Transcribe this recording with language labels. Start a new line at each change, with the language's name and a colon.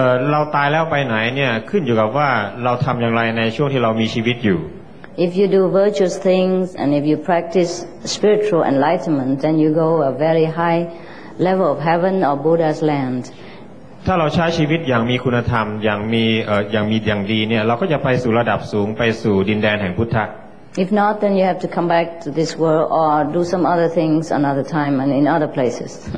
Thai: เราตายแล้วไปไหนเนี่ยขึ้นอยู่กับว่าเราทำอย่างไรในช่วงที่เรามีชีวิตอยู่
English: If you do virtuous things and if you practice spiritual enlightenment, then you go a very high level of heaven or Buddha's land.
Thai: ถ้าเราใช้ชีวิตอย่างมีคุณธรรมอย่างมีอย่างดีเนี่ยเราก็จะไปสู่ระดับสูงไปสู่ดินแดนแห่งพุทธะ
English: If not, then you have to come back to this world or do some other things another time and in other places.